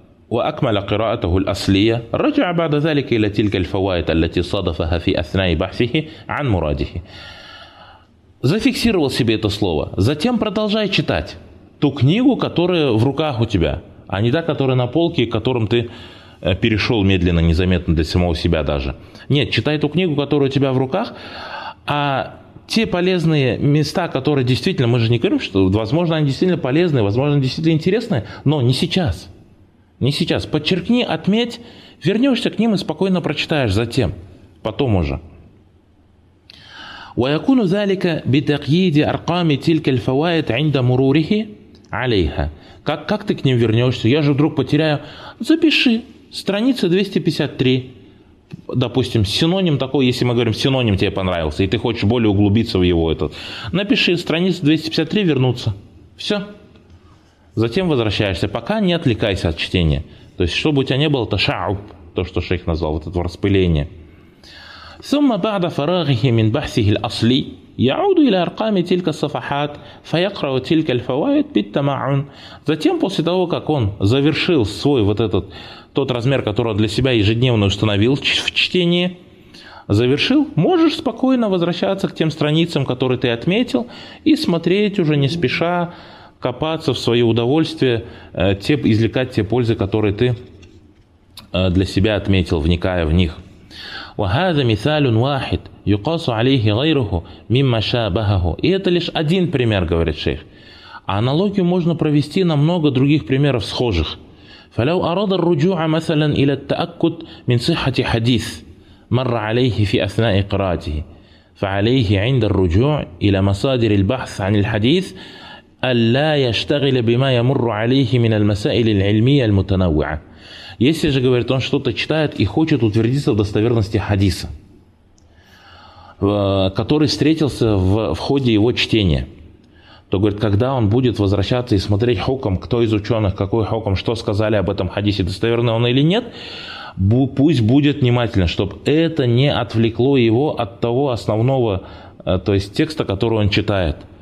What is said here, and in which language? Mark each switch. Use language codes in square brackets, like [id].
[ar] وأكمل قراءته الأصلية رجع بعد ذلك إلى تلك الفوائد التي صادفها في أثناء بحثه عن مراده. [ru] Зафиксировал себе это слово. Затем продолжай читать ту книгу, которая в руках у тебя, а не та, которая на полке, которым ты перешел медленно, незаметно для самого себя даже. Нет, читай ту книгу, которая у тебя в руках, а те полезные места, которые действительно, мы же не говорим, что возможно они действительно полезные, возможно действительно интересные, но не сейчас. Не сейчас. Подчеркни, отметь, вернешься к ним и спокойно прочитаешь затем, потом уже. [ar] ويكون ذلك بتقييد أرقام تلك الفوائد عند مروره عليها. [ru] Как ты к ним вернешься? Я же вдруг потеряю. Запиши. Страница 253. Допустим, синоним такой, если мы говорим, синоним тебе понравился, и ты хочешь более углубиться в его этот. Напиши страница 253, вернуться. Все. Затем возвращаешься. Пока не отвлекайся от чтения. То есть, чтобы у тебя не было, это шауб, то, что шейх назвал, вот это распыление. [ar] ثم بعد فراغه من بحثه الأصلي يعود إلى أرقام تلك الصفحات فيقرأ تلك الفوائد بالتمعن. [ru] Затем после того, как он завершил свой вот этот тот размер, который он для себя ежедневно установил в чтении, завершил, можешь спокойно возвращаться к тем страницам, которые ты отметил, и смотреть уже не спеша, копаться в свое удовольствие, извлекать те пользы, которые ты для себя отметил, вникая в них. [ar] وهذا مثال واحد يقاس عليه غيره مما شابهه. [ru] И это лишь один пример, говорит шейх. А аналогию можно провести на много других примеров схожих. [ar] فلو أراد الرجوع مثلا إلى التأكد من صحة حديث مر عليه في أثناء قراءته فعليه عند الرجوع إلى مصادر البحث عن الحديث ألا يشتغل بما يمر عليه من المسائل العلمية المتنوعة. [ru] Если же, говорит, он что-то читает и хочет утвердиться в достоверности хадиса, который встретился в ходе его чтения, то, говорит, когда он будет возвращаться и смотреть хукм, кто из ученых, какой хукм, что сказали об этом хадисе, достоверный он или нет, пусть будет внимательно, чтобы это не отвлекло его от того основного, то есть текста, который он читает.